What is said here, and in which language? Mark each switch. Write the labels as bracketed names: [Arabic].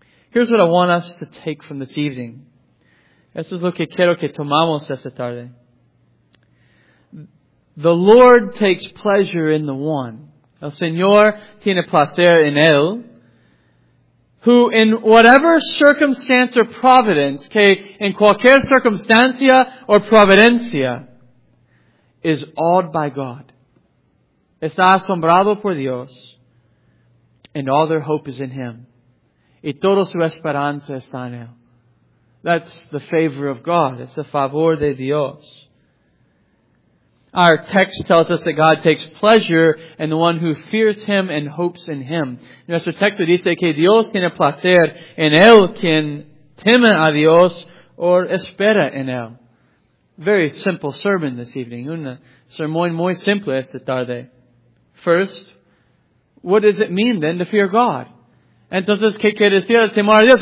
[English] Here's what I want us to take from this evening. [Spanish] Esto es lo que quiero que tomamos esta tarde. [English] The Lord takes pleasure in the one. [Spanish] El Señor tiene placer en él. [English] Who in whatever circumstance or providence, [Spanish] que en cualquier circunstancia or providencia, [English] is awed by God. [Spanish] Está asombrado por Dios. [English] And all their hope is in Him. [Spanish] Y toda su esperanza está en él. [English] That's the favor of God. It's the favor [Spanish] de Dios. [English] Our text tells us that God takes pleasure in the one who fears Him and hopes in Him. [Spanish] Nuestro texto dice que Dios tiene placer en él quien teme a Dios o espera en él. [English] Very simple sermon this evening. [Spanish] Un sermón muy simple esta tarde. [English] First, what does it mean then to fear God? [Spanish] Entonces, ¿qué quiere decir el temor a Dios?